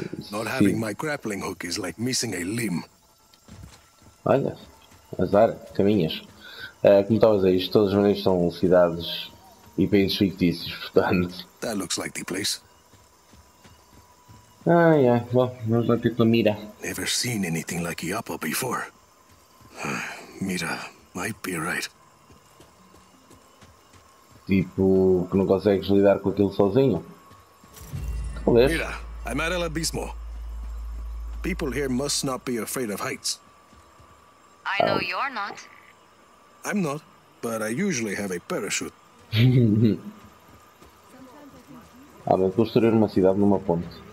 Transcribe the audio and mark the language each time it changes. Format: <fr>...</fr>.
<en>Not having my grappling hook is like missing a limb.</en> <pt>Olha, azar, caminhas. Como estavas aí, isto de todas as maneiras são cidades e países fictícios, portanto.</pt> <en>That looks like the place. Ah, yeah.</en> <pt>Well, vamos lá ter com a Mira.</pt> <en>Never seen anything like Iapa before. Mira might be right.</en> <pt>Tipo, que não consegues lidar com aquilo sozinho? Talvez.</pt> <en>Mira, I'm at El Abismo. People here must not be afraid of heights. I know you're not. I'm not, but I usually have a parachute.</en> <pt>Ah, mas construir uma cidade numa ponte.</pt>